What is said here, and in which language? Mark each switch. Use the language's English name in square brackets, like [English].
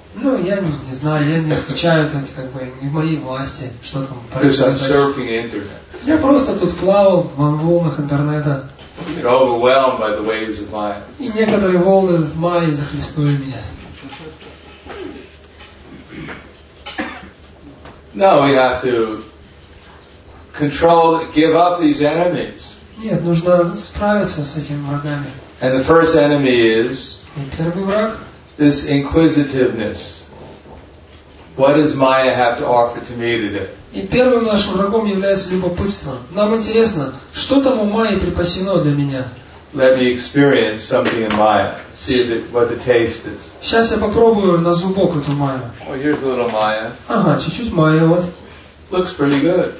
[Russian] Ну, я не знаю, я не отвечаю, это не в моей власти, что там происходит. [English] Because I'm surfing internet. [Russian] Я просто тут плавал на волнах интернета. [English] You're overwhelmed by the waves of Maya. [Russian] И некоторые волны Майи захлестнули меня. [English] No, we have to control, give up these enemies. [Russian] Нет, нужно справиться с этими врагами. [English] And the first enemy is. [Russian] И первый враг. [English] This inquisitiveness. What does Maya have to offer to me today? [Russian] И первым нашим врагом является любопытство. Нам интересно, что там у Майи припасено для меня. [English] Let me experience something in Maya. See what the taste is. [Russian] Сейчас я попробую на зубок эту Майю. [English] Oh, here's a little Maya. [Russian] Ага, чуть-чуть Майя вот. [English] Looks pretty good.